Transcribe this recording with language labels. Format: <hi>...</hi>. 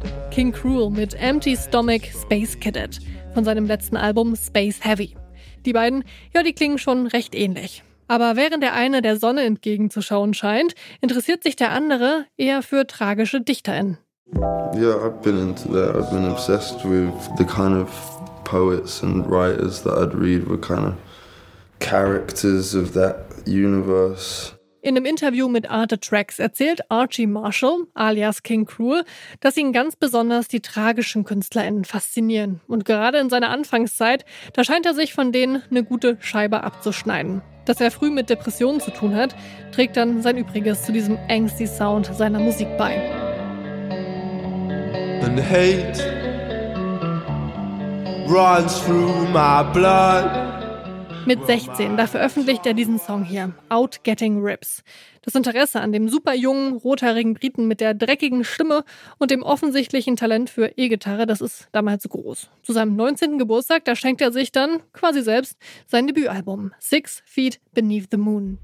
<de>King Cruel mit Empty Stomach Space Cadet von seinem letzten Album Space Heavy. Die beiden, ja, die klingen schon recht ähnlich. Aber während der eine der Sonne entgegenzuschauen scheint, interessiert sich der andere eher für tragische DichterInnen.</de> <en>Yeah, I've been into that. I've been obsessed with the kind of poets and writers that I'd read were kind of characters of that universe.</en> <de>In einem Interview mit Arte Tracks erzählt Archie Marshall, alias King Cruel, dass ihn ganz besonders die tragischen KünstlerInnen faszinieren. Und gerade in seiner Anfangszeit, da scheint er sich von denen eine gute Scheibe abzuschneiden. Dass er früh mit Depressionen zu tun hat, trägt dann sein Übriges zu diesem angsty Sound seiner Musik bei.</de> <en>And hate runs through my blood.</en> <de>Mit 16, da veröffentlicht er diesen Song hier, Out Getting Rips. Das Interesse an dem super jungen, rothaarigen Briten mit der dreckigen Stimme und dem offensichtlichen Talent für E-Gitarre, das ist damals groß. Zu seinem 19. Geburtstag, da schenkt er sich dann, quasi selbst, sein Debütalbum, 6 Feet Beneath the Moon.</de>